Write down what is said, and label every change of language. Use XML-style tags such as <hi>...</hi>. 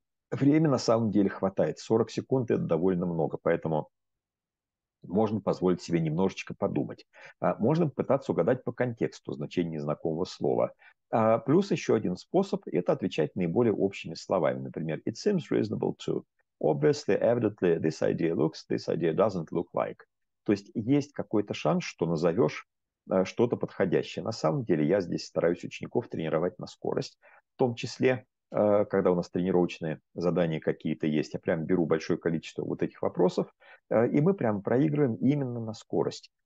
<ru>Время на самом деле хватает. 40 секунд – это довольно много, поэтому можно позволить себе немножечко подумать. Можно пытаться угадать по контексту значение незнакомого слова. Плюс еще один способ – это отвечать наиболее общими словами. Например,</ru> <en>it seems reasonable to. Obviously, evidently, this idea looks, this idea doesn't look like.</en> <ru>То есть есть какой-то шанс, что назовешь что-то подходящее. На самом деле я здесь стараюсь учеников тренировать на скорость, в том числе когда у нас тренировочные задания какие-то есть, я прям беру большое количество вот этих вопросов, и мы прям проигрываем именно на скорость.</ru>